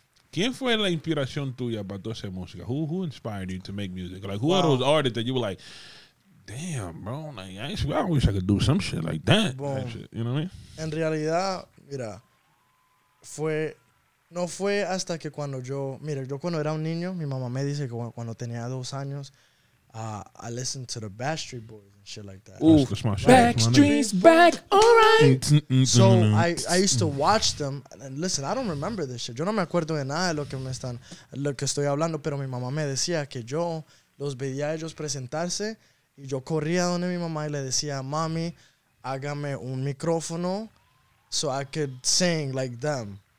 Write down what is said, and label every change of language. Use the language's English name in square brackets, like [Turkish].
[Spanish] ¿Quién fue la inspiración tuya para toda esa música? [English] Who inspired you to make music? Like, who are those artists that you were like, damn, bro, like, I wish I could do some shit like that. Boom. That shit, you know what I mean? [Spanish] En realidad, mira, fue hasta que cuando yo, mira, yo cuando era un niño, mi mamá me dice que cuando tenía 2 años, [English] I listen to the Backstreet Boys and shit like that. Ooh, Backstreet's back, all right. So I used to watch them. And listen, I don't remember this shit. [Spanish] Yo no me acuerdo de nada de lo que me están, lo que estoy hablando, pero mi mamá me decía que yo los veía a ellos presentarse y yo corría donde mi mamá y le decía, mami, hágame un micrófono [English] so I could sing like them.